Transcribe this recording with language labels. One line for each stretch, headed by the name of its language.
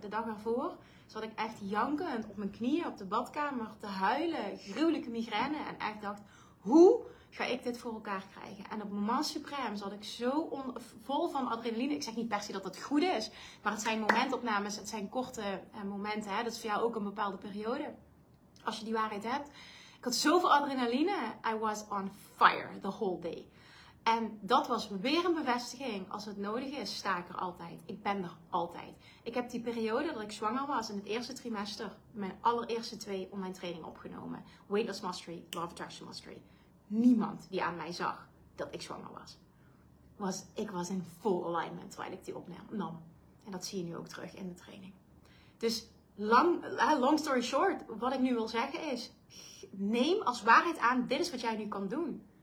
Dutch: De dag ervoor zat ik echt jankend op mijn knieën op de badkamer te huilen, gruwelijke migraine en echt dacht, hoe ga ik dit voor elkaar krijgen? En op moment supreme zat ik zo vol van adrenaline. Ik zeg niet per se dat het goed is. Maar het zijn momentopnames. Het zijn korte momenten. Hè? Dat is voor jou ook een bepaalde periode. Als je die waarheid hebt. Ik had zoveel adrenaline.
English: I was on fire the whole day.
Dutch: En dat was weer een bevestiging. Als het nodig is, sta ik er altijd. Ik ben er altijd. Ik heb die periode dat ik zwanger was in het eerste trimester mijn allereerste 2 online trainingen opgenomen. Weight Loss Mastery, Love Attraction Mastery. Niemand die aan mij zag dat ik zwanger was. Ik was
English: in full alignment
Dutch: terwijl ik die opnam. En dat zie je nu ook terug in de training. Dus
English: long story short,
Dutch: wat ik nu wil zeggen is, neem als waarheid aan, dit is wat jij nu kan doen.